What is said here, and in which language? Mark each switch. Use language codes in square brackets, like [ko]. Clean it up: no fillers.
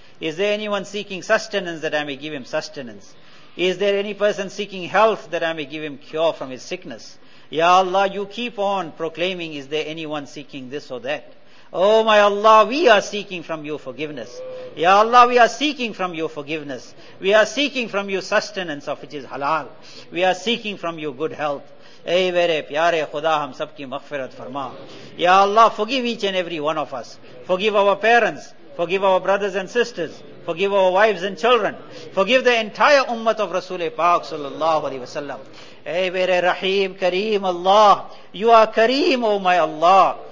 [en] Is there anyone seeking sustenance that I may give him sustenance? Is there any person seeking health that I may give him cure from his sickness? Ya Allah, you keep on proclaiming, is there anyone seeking this or that? Oh my Allah, we are seeking from you forgiveness. Ya Allah, we are seeking from you forgiveness. We are seeking from you sustenance of which is halal. We are seeking from you good health. [ur] اے میرے پیارے خدا, ہم سب کی مغفرت فرما. [en] یا Allah, forgive each and every one of us. Forgive our parents, forgive our brothers and sisters, forgive our wives and children, forgive the entire ummah of Rasul Pak sallallahu alaihi wasallam. [ur] اے میرے رحیم کریم اللہ, [en] you are Kareem, oh my Allah.